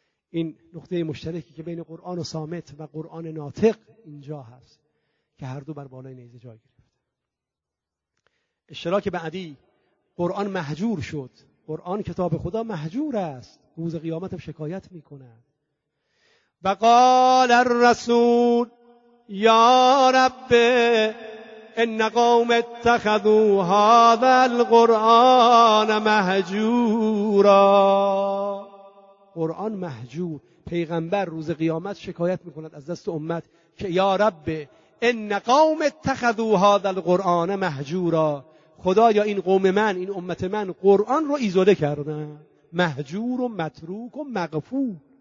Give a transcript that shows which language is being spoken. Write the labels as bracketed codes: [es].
[fa] این نقطه مشترکی که بین قرآن و صامت و قرآن ناطق اینجا هست که هر دو بر بالای نیزه جای گرفت. اشتراک بعدی، قرآن مهجور شد، قرآن کتاب خدا مهجور است، روز قیامت هم شکایت میکنه. [ar] و قال الرسول یا رب ان قوم اتخذوا هذا القرآن مهجورا. [fa] قرآن مهجور، پیغمبر روز قیامت شکایت میکند از دست امت که [ar] یا رب ان قوم اتخذوا هذا القرآن مهجورا، [fa] خدایا این قوم من، این امت من قرآن رو ایزوله کردن، مهجور و متروک و مغفور.